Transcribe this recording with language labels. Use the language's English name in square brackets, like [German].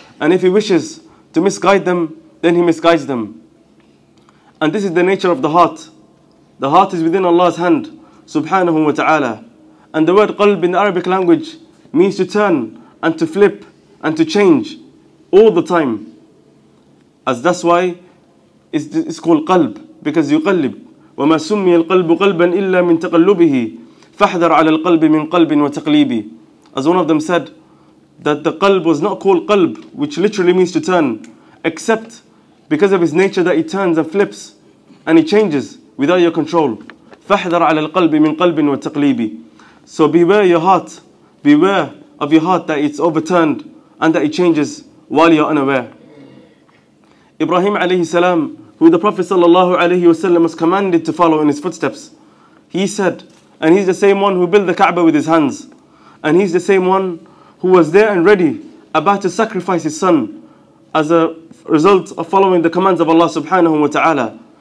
[English] And if He wishes to misguide them, then He misguides them. And this is the nature of the heart. The heart is within Allah's hand subhanahu wa ta'ala. And the word qalb in the Arabic language means to turn and to flip and to change all the time. As that's why it's called qalb. Because [Arabic] يقلب وما سمي القلب قلبا إلا من تقلبه فاحذر على القلب من قلب وتقليبي. [English] As one of them said, that the qalb was not called qalb, which literally means to turn, except because of its nature that it turns and flips and it changes without your control. [Arabic] فاحذر على القلب من قلب وتقليبي. [English] So beware of your heart that it's overturned and that it changes while you're unaware. Ibrahim عليه السلام, who the Prophet sallallahu alaihi wasallam was commanded to follow in his footsteps, he said, and he's the same one who built the Kaaba with his hands, and he's the same one who was there and ready about to sacrifice his son as a result of following the commands of Allah subhanahu wa ta'ala.